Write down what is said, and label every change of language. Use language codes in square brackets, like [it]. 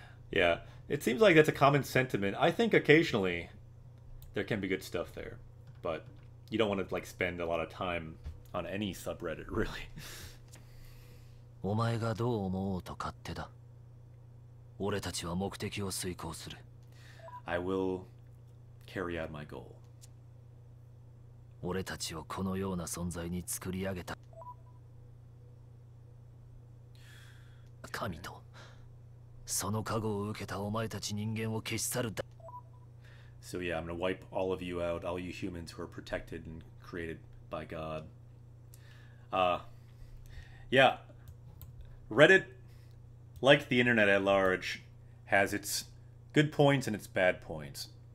[en] Yeah, it seems like that's a common sentiment. I think occasionally there can be good stuff there, but you don't want to like spend a lot of time on any subreddit, really. I will carry out my goal. [ja] 俺たちをこのような存在に作り上げた神とその加護を受けたお前たち人間を消し去る。So [en] yeah, I'm gonna wipe all of you out, all you humans who are protected and created by God. Yeah, Reddit, like the internet at large, has its good points and its bad points.